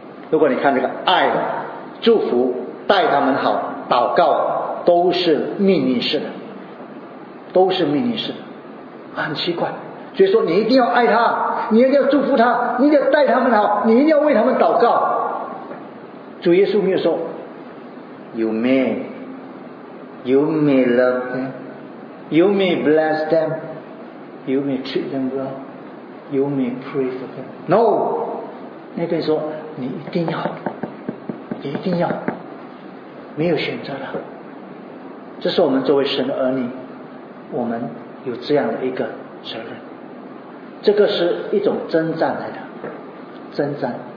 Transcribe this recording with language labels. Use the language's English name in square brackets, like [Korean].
[Chinese] 如果你看这个爱、祝福、待他们好、祷告，都是命令式的，都是命令式的，很奇怪。所以说你一定要爱他，你一定要祝福他，你一定要待他们好，你一定要为他们祷告。主耶稣没有说 [English] You may love them, You may bless them, You may treat them well, You may pray for them. No, [Chinese] 你可以说你一定要，你一定要，没有选择了。这是我们作为神的儿女，我们有这样的一个责任。这个是一种征战来的，征战。